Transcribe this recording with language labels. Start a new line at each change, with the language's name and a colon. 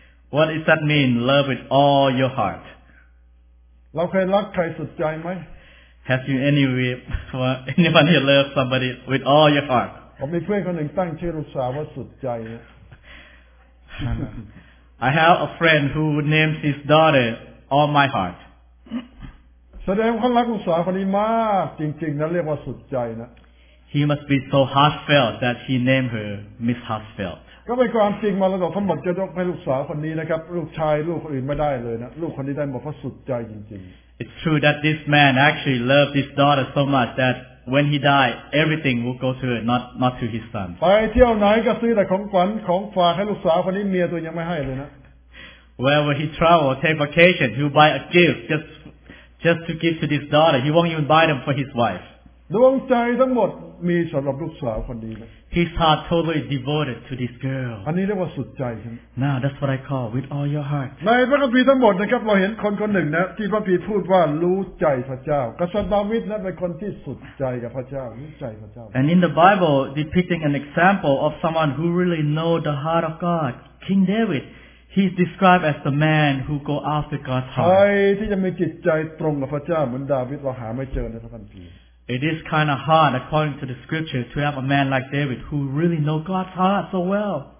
English: What does that mean, love with all your heart?
Thai: เราเคยรักใครสุดใจไหม
English: Have you anyone you love somebody with all your heart?
Thai: ผมมีเพื่อนคนหนึ่งตั้งชื่อลูกสาวว่าสุดใจ
English: I have a friend who names his daughter all my heart.
Thai: แสดงความรักลูกสาวคนนี้มากจริงๆนะเรียกว่าสุดใจนะ
English: He must be so heartfelt that he named her Miss Heartfelt.
Thai: ก็เป็นความจริงมาแล้วทั้งหมดจะยกให้ลูกสาวคนนี้นะครับลูกชายลูกอื่นไม่ได้เลยนะลูกคนนี้ได้หมดเพราะสุดใจจริง
English: ๆ It's true that this man actually loved his daughter so much that when he died, everything will go to her, not to his son.
Thai: ไปเที่ยวไหนก็ซื้อแต่ของขวัญของฝากให้ลูกสาวคนนี้เมียตัวยังไม่ให้เลยนะ
English: Wherever he travels, take vacation, he'll buy a gift just to give to his daughter. He won't even buy them for his wife.
Thai: ดวงใจทั้งหมดมีสำหรับลูกสาวคนนี้เลย
English: His heart totally devoted to this girl.
Thai: อันนี้เรียกว่าสุดใจใช่ไหม
English: Now that's what I call with all your heart.
Thai: ในพระคัมภีร์ทั้งหมดนะครับเราเห็นคนคนหนึ่งนะที่พระคัมภีร์พูดว่ารู้ใจพระเจ้ากษัตริย์ดาวิดนั้นเป็นคนที่สุดใจกับพระเจ้ารู้ใจพระเจ้า
English: And in the Bible depicting an example of someone who really know the heart of God, King David. He's described as the man who go after God's heart.
Thai: ใครที่จะมีจิตใจตรงกับพระเจ้าเหมือนดาวิดเราหาไม่เจอในพระคัมภีร์
English: It is kind of hard, according to the scripture, to have a man like David who really know God's heart so well.